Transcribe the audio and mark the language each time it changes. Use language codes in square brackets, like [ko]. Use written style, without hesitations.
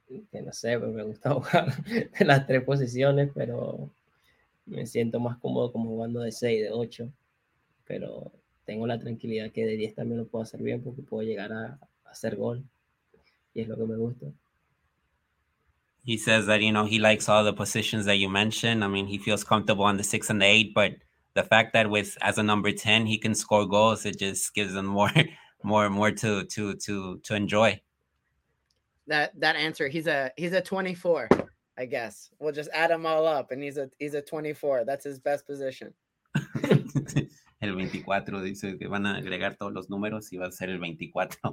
[es] Que no sé, me gusta jugar en las 3 posiciones, pero me siento más cómodo como jugando de 6, de 8. pero tengo la tranquilidad que de 10 también lo puedo hacer bien porque puedo llegar a hacer gol y es lo que me gusta. [en] He says that, you know, he likes all the positions that you mentioned. I mean, he feels comfortable on the 6 and the 8, but the fact that with as a number 10 he can score goals, it just gives him more to enjoy. That answer, he's a 24, I guess. We'll just add them all up and he's a 24. That's his best position. [es] El 24 dice que van a agregar todos los números y va a ser el 24.